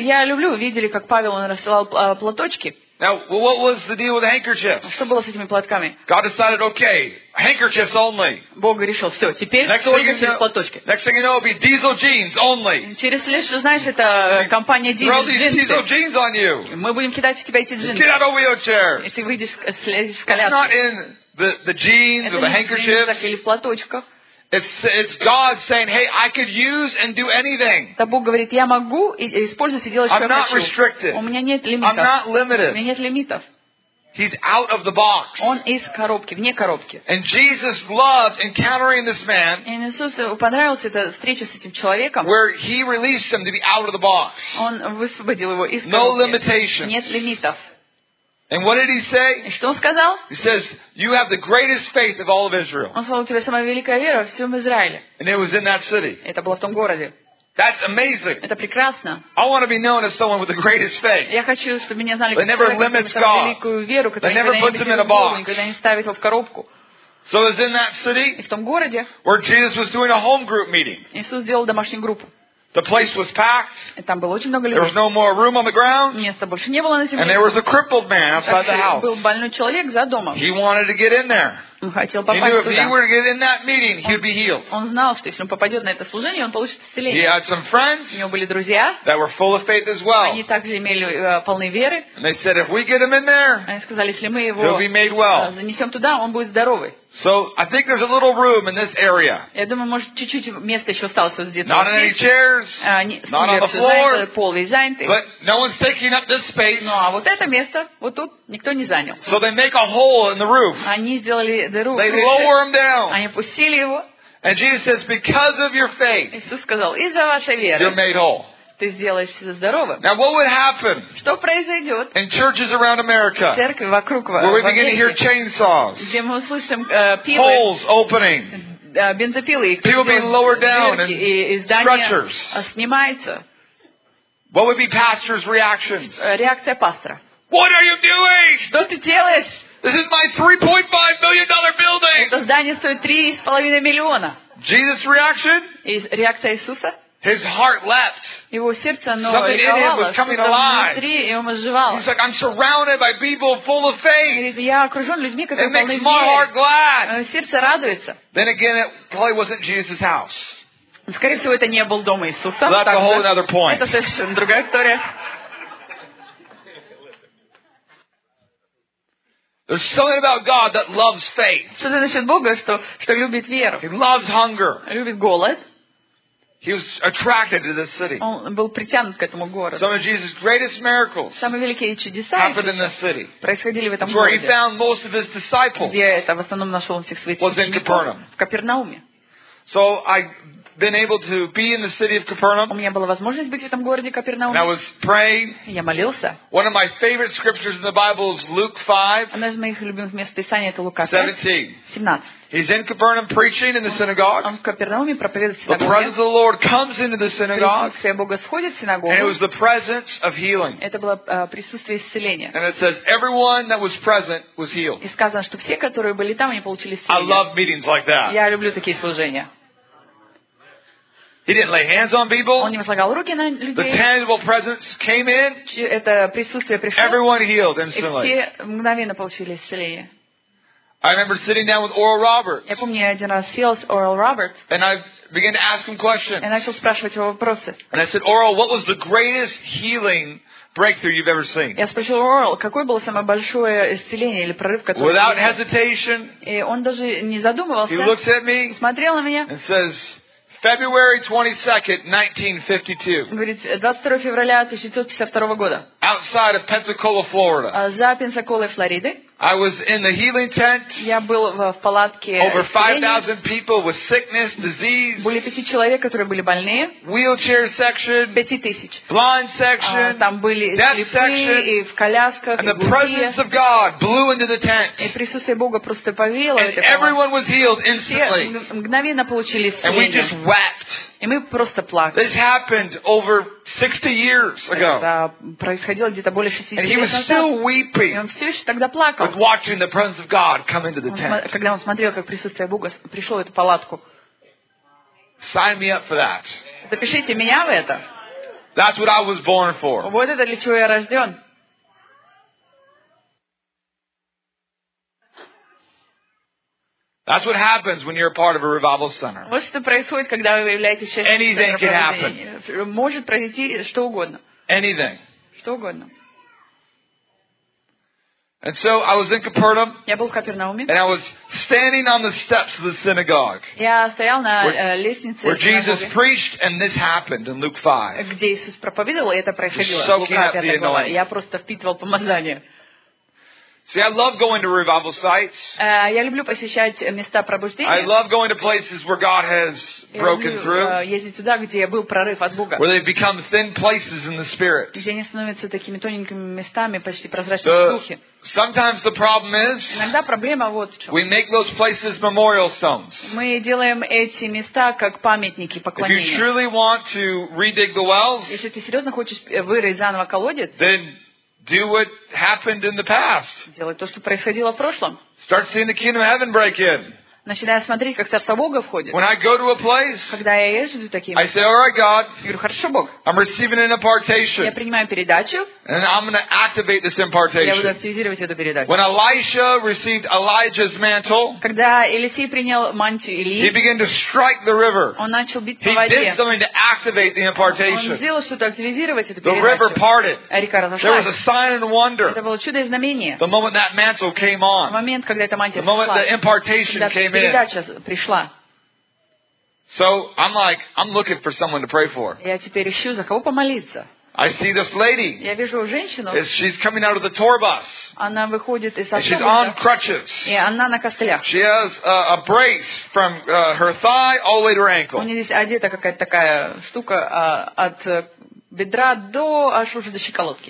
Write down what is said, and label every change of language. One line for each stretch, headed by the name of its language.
Russian: Я люблю, видели, как Павел он рассылал платочки.
English: Now, well, what was the deal with the handkerchiefs?
Russian: Что было с этими платками?
English: God decided, okay, handkerchiefs only.
Russian: Бог решил, все, теперь
English: next
Russian: только через платочки.
English: Next thing you know, it'll be diesel jeans only.
Russian: Через следующее, знаешь, это компания
English: diesel jeans. Throw these diesel jeans on you.
Russian: Мы будем кидать в тебя эти джинсы.
English: Get out of wheelchair.
Russian: Если выйдешь, слезешь с коляски.
English: Not in the jeans
Russian: это
English: or the handkerchiefs.
Russian: Это не джинсы, так или платочка.
English: It's God saying, "Hey, I could use and do anything."
Russian: Да Бог говорит, я могу использовать и делать что хочу.
English: I'm not restricted.
Russian: У меня нет лимитов.
English: I'm not limited.
Russian: У меня нет лимитов.
English: He's out of the box.
Russian: Он из коробки, вне коробки.
English: And Jesus loved encountering this man.
Russian: И Иисус понравилась эта встреча с этим человеком.
English: Where he released him to be out of the box.
Russian: Он высвободил его из коробки.
English: No limitations.
Russian: Нет лимитов.
English: And what did he say?
Russian: И что он сказал?
English: He says, "You have the greatest faith of all of Israel."
Russian: Он сказал, у тебя самая великая вера во всем Израиле.
English: And it was in that city.
Russian: Это было в том городе.
English: That's amazing.
Russian: Это прекрасно.
English: I want to be known as someone with the greatest faith.
Russian: Я хочу, чтобы меня знали как человека, который имеет великую веру, который
English: never puts him in a box.
Russian: Никогда не ставит его в коробку.
English: So it was in that city.
Russian: И в том городе.
English: Where Jesus was doing a home group meeting.
Russian: Иисус делал домашнюю группу.
English: The place was packed.
Russian: И там было очень много людей.
English: There was no more room on the ground.
Russian: Места больше не было на земле.
English: And there was a crippled man outside the house.
Russian: Был больной человек за домом.
English: He wanted to get in there.
Russian: Он хотел попасть туда.
English: He knew if he were to get in that meeting, he'd be healed.
Russian: Он знал, что если он попадет на это служение, он получит исцеление.
English: He had some friends.
Russian: У него были друзья.
English: That were full of faith as well.
Russian: Они также имели полны веры.
English: And they said, if we get him in there,
Russian: они сказали, если мы его
English: he'll be made well.
Russian: Занесем туда, он будет здоровый.
English: So I think there's a little room in this area.
Russian: Я думаю, может, чуть-чуть места еще осталось вот здесь.
English: Not on any chairs. Not on the floor.
Russian: Пол весь занятый.
English: But no one's taking up this space.
Russian: Ну а вот это место вот тут никто не занял.
English: So they make a hole in the roof.
Russian: Они сделали дыру.
English: They lower him down.
Russian: Они опустили его.
English: And Jesus says, because of your faith.
Russian: Иисус сказал, из-за вашей веры.
English: You're made whole.
Russian: Ты сделаешься здоровым.
English: Now what would happen?
Russian: Что произойдет?
English: In churches around America.
Russian: Церкви вокруг вас.
English: Where we begin to hear chainsaws.
Russian: Где мы услышим пилы.
English: Holes opening.
Russian: Бензопилы.
English: People being lowered down and stretchers.
Russian: Снимается.
English: What would be pastors' reactions?
Russian: Реакция пастора.
English: What are you doing?
Russian: Что ты делаешь?
English: This is my $3.5 million building.
Russian: Это здание стоит 3.5 миллиона.
English: Jesus' reaction?
Russian: Реакция Иисуса?
English: His heart leapt.
Russian: Его сердце, оно
English: something in him was coming alive. He's like, I'm surrounded by people full of faith.
Russian: Я окружен людьми, которые полны веры.
English: It makes my heart glad.
Russian: Сердце радуется.
English: Then again, it probably wasn't Jesus' house.
Russian: Скорее всего, это не был дом Иисуса.
English: That's a whole other point.
Russian: Это совершенно другая история.
English: There's something about God that loves faith.
Russian: Что-то насчет Бога, что любит веру.
English: He loves hunger.
Russian: Любит голод.
English: He was attracted to this city.
Russian: Он был притянут к этому городу.
English: Some of Jesus' greatest miracles happened in this city.
Russian: Происходили в этом городе.
English: Where he found most of his disciples.
Russian: Где это в основном нашел он всех своих учеников.
English: Was in Capernaum.
Russian: В Капернауме.
English: So I've been able to be in the city of Capernaum.
Russian: У меня была возможность быть в этом городе Капернаум.
English: I was praying.
Russian: Я молился.
English: One of my favorite scriptures in the Bible is Luke 5.
Russian: Одно из моих любимых мест Писания это Лука
English: 17. He's in Capernaum preaching in the synagogue.
Russian: Он в Капернауме проповедует в синагоге.
English: The presence of the Lord comes into the synagogue.
Russian: Присутствие Бога сходит в синагогу.
English: And it was the presence of healing.
Russian: Это было присутствие исцеления.
English: And it says everyone that was present was healed.
Russian: И сказано, что все, которые были там, они получили исцеление.
English: I love meetings like that.
Russian: Я люблю такие служения.
English: He didn't lay hands on people.
Russian: Он не возлагал руки на людей.
English: The tangible presence came in.
Russian: Это присутствие пришло.
English: Everyone healed instantly.
Russian: И все мгновенно получили исцеление.
English: I remember sitting down with Oral Roberts.
Russian: Я помню, я один раз сел с Oral Roberts.
English: And I began to ask him questions.
Russian: И начал спрашивать его вопросы.
English: And I said, Oral, what was the greatest healing breakthrough you've ever seen?
Russian: Я спросил Oral, какое было самое большое исцеление или прорыв, который.
English: Without hesitation.
Russian: И он даже не задумывался.
English: He looks at me.
Russian: Смотрел на меня.
English: And says, February 22nd, 1952.
Russian: 22 февраля 1952 года.
English: Outside of Pensacola, Florida.
Russian: За Пенсаколой, Флориды.
English: I was in the healing tent.
Russian: Я был в палатке.
English: Over 5,000 people with sickness, disease.
Russian: Более 5000 человек, которые были больные.
English: Wheelchair section.
Russian: 5000.
English: Blind section.
Russian: Там были слепые и в колясках.
English: And the presence of God blew into the tent.
Russian: И присутствие Бога просто повело.
English: And everyone was healed instantly.
Russian: Все мгновенно получили исцеление.
English: And we just wept.
Russian: И мы просто плакали.
English: This happened over 60 years ago.
Russian: Это происходило где-то более 60 лет назад.
English: And he was still weeping.
Russian: И он все еще тогда плакал.
English: With watching the presence of God come into the tent.
Russian: Когда он смотрел, как присутствие Бога пришло в эту палатку.
English: Sign me up for that.
Russian: Запишите меня в это.
English: That's what I was born for.
Russian: Вот это для чего я рожден.
English: That's what happens when you're a part of a revival center.
Russian: Вот что происходит, когда вы являетесь частью центра проведения.
English: Anything can happen.
Russian: Может произойти что угодно.
English: Anything.
Russian: Что угодно.
English: And so I was in Capernaum.
Russian: Я был в Капернауме.
English: And I was standing on the steps of the synagogue.
Russian: Я стоял на лестнице.
English: Where Jesus preached and this happened in Luke 5.
Russian: Где Иисус проповедовал, и это происходило в Луке 5. Я просто впитывал помазание.
English: See, I love going to revival sites.
Russian: Я люблю посещать места пробуждения.
English: I love going to places where God has broken through.
Russian: Ездить туда, где был прорыв от Бога.
English: Where they've become thin places in the spirit.
Russian: Где они становятся такими тоненькими местами, почти прозрачными в духе.
English: Sometimes the problem is.
Russian: Иногда проблема вот в чем.
English: We make those places memorial stones.
Russian: Мы делаем эти места как памятники поклонения.
English: If you truly want to redig the wells.
Russian: Если ты серьезно хочешь вырыть заново колодец.
English: Then do what happened in the past.
Russian: Делай то, что происходило в прошлом.
English: Start seeing the kingdom of heaven break in.
Russian: Начиная смотреть, как Царство Бога входит.
English: When I go to a place,
Russian: когда я езжу таким,
English: I say, "All right, God."
Russian: Я говорю, хорошо, Бог.
English: I'm receiving an impartation.
Russian: Я принимаю передачу.
English: And I'm going to activate this impartation.
Russian: Я буду активизировать эту передачу.
English: When Elisha received Elijah's mantle,
Russian: когда Елисей принял мантию Илии,
English: he began to strike the river.
Russian: Он начал бить по воде.
English: He did something to activate the impartation.
Russian: Он сделал что-то, активизировать эту передачу.
English: The river parted.
Russian: Река разошлась.
English: There was a sign and wonder.
Russian: Это было чудо и знамение.
English: The moment that mantle came on.
Russian: В момент, когда эта мантия вошла.
English: The moment the impartation came. So I'm like, I'm looking for someone to pray for.
Russian: Я теперь ищу за кого помолиться.
English: I see this lady.
Russian: Я вижу женщину.
English: She's coming out of the tour bus.
Russian: Она выходит из автобуса.
English: She's on crutches.
Russian: И она на костылях.
English: She has a brace from her thigh all the way to her ankle.
Russian: У нее здесь одета какая-то такая штука от бедра до аж уже до щиколотки.